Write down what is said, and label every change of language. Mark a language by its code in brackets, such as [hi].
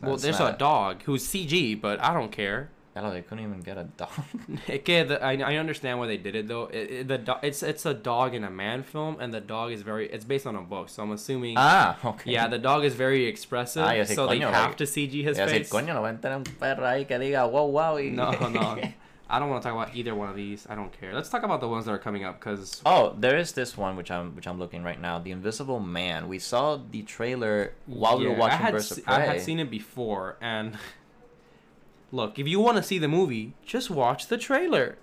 [en] well, there's not... a dog who's CG, but I don't care. I don't know. They couldn't even get a dog. Okay, I understand why they did it, though. It's a dog in a man film, and the dog is very... It's based on a book, so I'm assuming... Ah, okay. Yeah, the dog is very expressive, so they have to CG his face. [es] Yo sé, coño, no va a tener un perro ahí que diga wow, wow. No. [en] I don't want to talk about either one of these. I don't care. Let's talk about the ones that are coming up, because... Oh, there is this one, which I'm looking right now. The Invisible Man. We saw the trailer while we were watching Birds of Prey. I had seen it before, and... Look, if you want to see the movie, just watch the trailer.